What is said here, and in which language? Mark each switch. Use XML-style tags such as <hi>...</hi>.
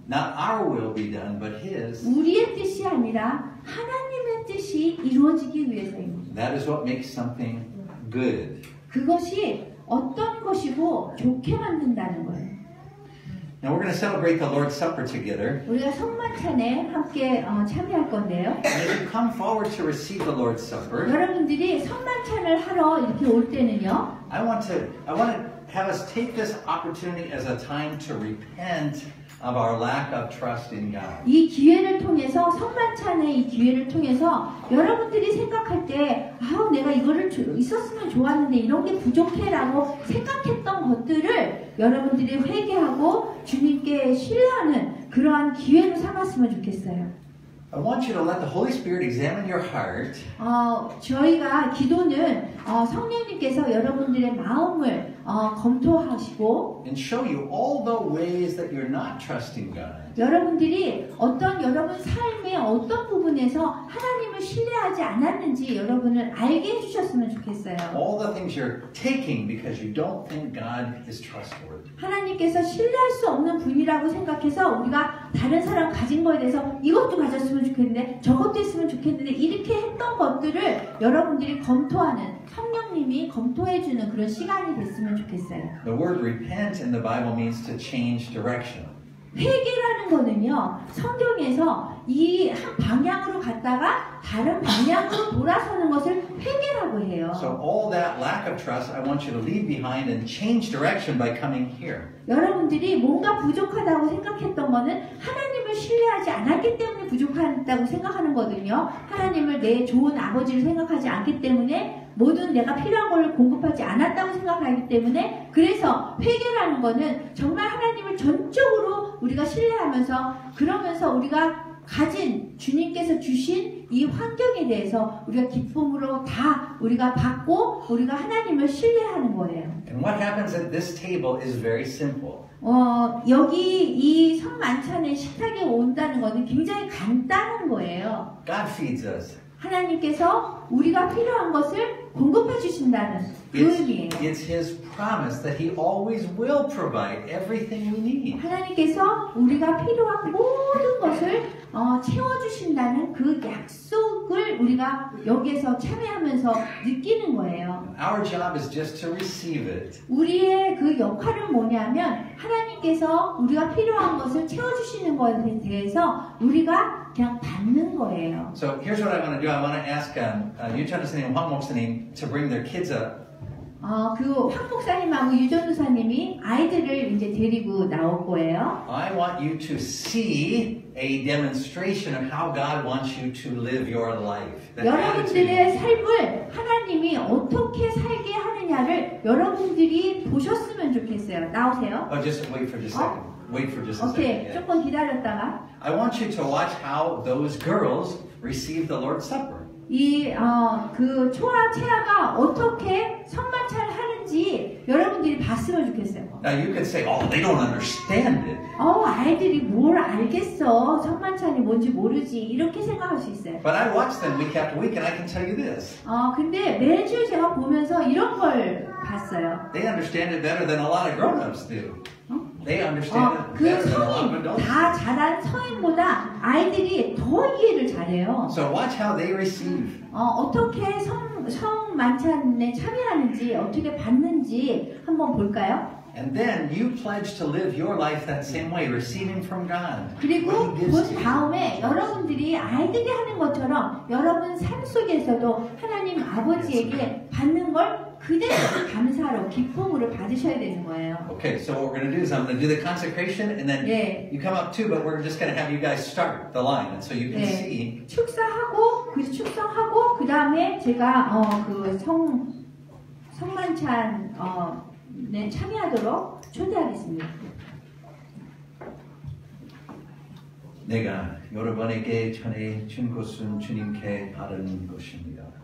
<en>Not our will be done, but His.</en> <ko>우리의 뜻이 아니라 하나님의 뜻이 이루어지기 위해서입니다.</ko> <en>That is what makes something good.</en> <ko>그것이 어떤 것이고 좋게 만든다는 거예요.</ko> <en>Now we're going to celebrate the Lord's Supper together.</en> <ko>우리가 성만찬에 함께 참여할 건데요.</ko> <en>And if you come forward to receive the Lord's Supper.</en> <ko>여러분들이 성만찬을 하러 이렇게 올 때는요.</ko> <en>I want to have us take this opportunity as a time to repent of our lack of trust in God.</en> <ko>이 기회를 통해서 성만찬의 이 기회를 통해서 여러분들이 생각할 때 아우 내가 이거를 있었으면 좋았는데 이런 게 부족해라고 생각했던 것들을 여러분들이 회개하고 주님께 신뢰하는 그러한 기회로 삼았으면 좋겠어요.</ko> <en>I want you to let the Holy Spirit examine your heart.</en> <ko>저희가 기도는 성령님께서 여러분들의 마음을 검토하시고</ko> <en>and show you all the ways that you're not trusting God.</en> <ko>여러분들이 어떤 여러분 삶의 어떤 부분에서 하나님을 신뢰하지 않았는지 여러분을 알게 해주셨으면 좋겠어요.</ko> <en>All the things you're taking because you don't think God is trustworthy.</en> <ko>하나님께서 신뢰할 수 없는 분이라고 생각해서 우리가 다른 사람 가진 거에 대해서 이것도 가졌으면 좋겠는데 저것도 했으면 좋겠는데 이렇게 했던 것들을 여러분들이 검토하는 성령님이 검토해주는 그런 시간이 됐으면 좋겠어요.</ko> <en>The word repent in the Bible means to change direction.</en> <ko>회개라는 거는요 성경에서 이 한 방향으로 갔다가 다른 방향으로 돌아서는 것을 회개라고 해요.</ko> <en>So all that lack of trust, I want you to leave behind and change direction by coming here.</en> <ko>여러분들이 뭔가 부족하다고 생각했던 거는 하나님을 신뢰하지 않았기 때문에 부족하다고 생각하는 거거든요. 하나님을 내 좋은 아버지를 생각하지 않기 때문에 모든 내가 필요한 걸 공급하지 않았다고 생각하기 때문에 그래서 회개라는 거는 정말 하나님을 전적으로 우리가 신뢰하면서 그러면서 우리가 가진 주님께서 주신 이 환경에 대해서 우리가 기쁨으로 다 우리가 받고 우리가 하나님을 신뢰하는 거예요.</ko> <en>And what happens at this table is very simple.</en> <ko>여기 이 성만찬의 식탁에 온다는 것은 굉장히 간단한 거예요.</ko> <en>God feeds us.</en> <ko>하나님께서 우리가 필요한 것을 공급해 주신다는 그 의미예요.</ko> <en>It's His promise that He always will provide everything we need.</en> <ko>하나님께서 우리가 필요한 모든 것을 채워주신다는 그 약속을 우리가 여기에서 참여하면서 느끼는 거예요.</ko> <en>Our job is just to receive it.</en> <ko>우리의 그 역할은 뭐냐면 하나님께서 우리가 필요한 것을 채워주시는 것에 대해서 우리가 그냥 받는 거예요.</ko> <en>So here's what I want to do. I want to ask Yuchun 선생님, Hwang 목사님 to bring their kids up.</en> <ko>그 황 목사님하고 유전 목사님이 아이들을 이제 데리고 나올 거예요.</ko> <en>I want you to see a demonstration of how God wants you to live your life.</en> <ko>여러분들의 삶을 하나님이 어떻게 살게 하느냐를 여러분들이 보셨으면 좋겠어요. 나오세요.</ko> <en>Oh, just wait for just a second. Wait for just a okay, second.</en> <ko>Okay, 조금 기다렸다가.</ko> <en>I want you to watch how those girls receive the Lord's Supper.</en> <ko>이 그 초아 채아가 어떻게 성만찬을 하는지 여러분들이 봤으면 좋겠어요.</ko> <en>Now you can say, "Oh, they don't understand it."</en> <ko>아이들이 뭘 알겠어? 성만찬이 뭔지 모르지. 이렇게 생각할 수 있어요.</ko> <en>But I watch them week after week, and I can tell you this.</en> <ko>근데 매주 제가 보면서 이런 걸 봤어요.</ko> <en>They understand it better than a lot of grown-ups do. They understand it.</en> <ko>그 성인 다 자란 성인보다 아이들이 더 이해를 잘해요.</ko> <en>So watch how they receive.</en> <ko>어떻게 성만찬에 참여하는지 어떻게 받는지 한번 볼까요?</ko> <en>And then you pledge to live your life that same way, receiving from God.</en> <ko>그리고 곧 다음에 여러분들이 아이들이 하는 것처럼 여러분 삶 속에서도 하나님 아버지에게 받는 걸 그대로 감사로 기쁨으로 받으셔야 되는 거예요.</ko> <en>Okay, so what we're going to do is I'm going to do the consecration and then 네. you come up too, but we're just going to have you guys start the line so you can 네. see.</en> <ko>축사하고 그 축사하고 그 다음에 제가 그 성만찬 네, 참여하도록 초대하겠습니다. 내가 여러분에게 전해준 것은 주님께 바라는 것입니다.</ko>